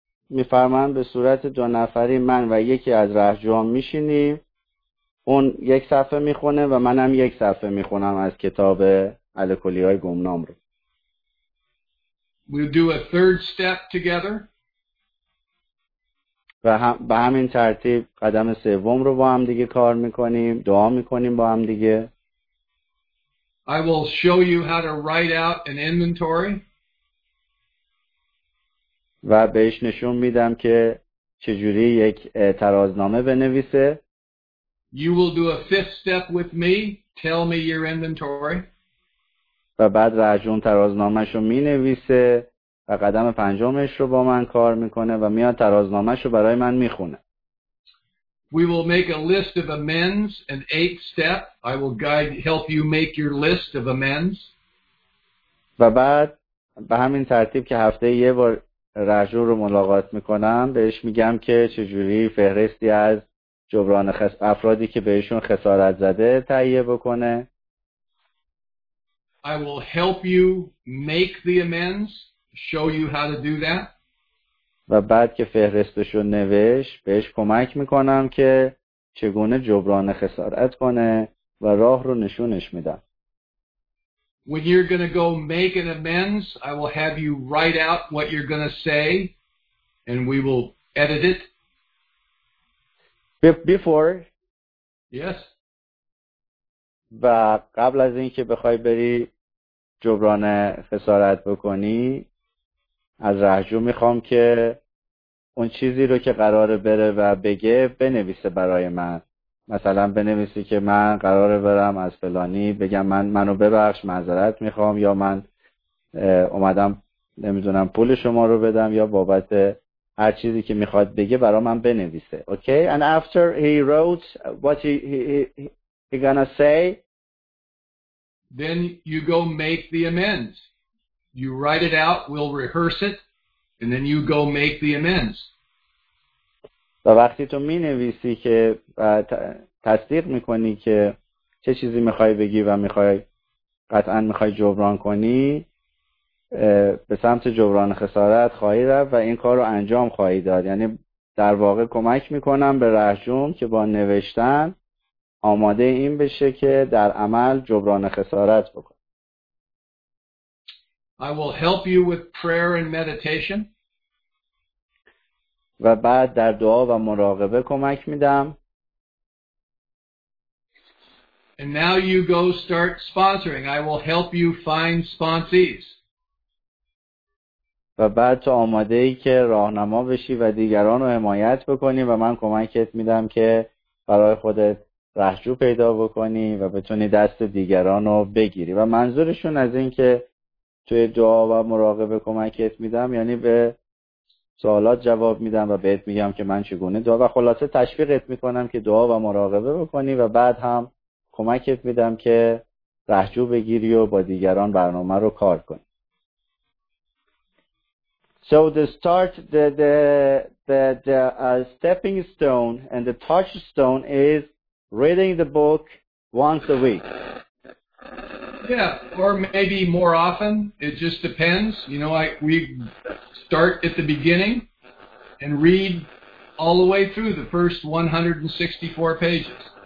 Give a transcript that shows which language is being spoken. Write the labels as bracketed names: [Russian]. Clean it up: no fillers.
[Persian] می‌فرمان به صورت دو نفری من و یکی از رهجوان می‌شینیم، اون یک صفحه می‌خونه و منم یک صفحه می‌خونم از کتاب الکلی‌های گمنام رو. [English] We'll do a third step together. [Persian] و به همین ترتیب قدم سوم رو با هم دیگه کار می‌کنیم، دعا می‌کنیم با هم دیگه. [English] I will show you how to write out an inventory. [Persian] و بهش نشون میدم که چجوری یک ترازنامه بنویسه. [English] You will do a fifth step with me. Tell me your inventory. [Persian] و بعد رهجون ترازنامه‌شو مینویسه و قدم پنجمش رو با من کار میکنه و میاد ترازنامه‌شو برای من میخونه. [English] We will make a list of amends, an eighth step. I will guide, help you make your list of amends. [Persian] و بعد به همین ترتیب که هفته یه بار رجوع رو ملاقات میکنم بهش میگم که چجوری فهرستی از جبران افرادی که بهشون خسارت زده تهیه بکنه. [English] I will help you make the amends, show you how to do that. [Persian] و بعد که فهرستشو نوشت بهش کمک میکنم که چگونه جبران خسارت کنه و راه رو نشونش میدن. [English] When you're going to go make an amends, I will have you write out what you're going to say and we will edit it. Before? Yes. [Persian] و قبل از اینکه بخوای بری جبران خسارت بکنی از رهجو میخوام که اون چیزی رو که قراره بره و بگه بنویسه برای من. مثلا بنویسی که من قراره برم از فلانی بگم منو ببخش، معذرت میخوام، یا من اومدم نمیدونم پول شما رو بدم، یا بابت هر چیزی که میخواد بگه برای من بنویسه. [English] Okay, and after he wrote what he gonna say, then you go make the amends. You write it out, we'll rehearse it, and then you go make the amends. [Persian] و وقتی تو می نویسی که تصدیق می کنی که چه چیزی می خواهی بگی و می خواهی قطعا می خواهی جبران کنی، به سمت جبران خسارت خواهی رفت و این کار رو انجام خواهی داد. یعنی در واقع کمک می کنم به رهجوم که با نوشتن آماده این بشه که در عمل جبران خسارت بکن. [English] I will help you with prayer and meditation. [Persian] و بعد در دعا و مراقبه کمک میدم. [English] And now you go start sponsoring. I will help you find sponsees. [Persian] و بعد تو آماده ای که راهنما بشی و دیگران رو حمایت بکنی و من کمکت میدم که برای خودت رهجو پیدا بکنی و بتونی دست دیگران رو بگیری. و منظورشون از این که توی دعا و مراقبه کمکت میدم یعنی به سوالات جواب میدم و بهت میگم که من چگونه دعا و خلاصه تشویقت میکنم که دعا و مراقبه بکنی و بعد هم کمکت میدم که رهجو بگیری و با دیگران برنامه رو کار کنی. [English] So the start, the stepping stone and the touchstone is reading the book once a week. Yeah, or maybe more often. It just depends. You know, we start at the beginning and read all the way through the first 164 pages.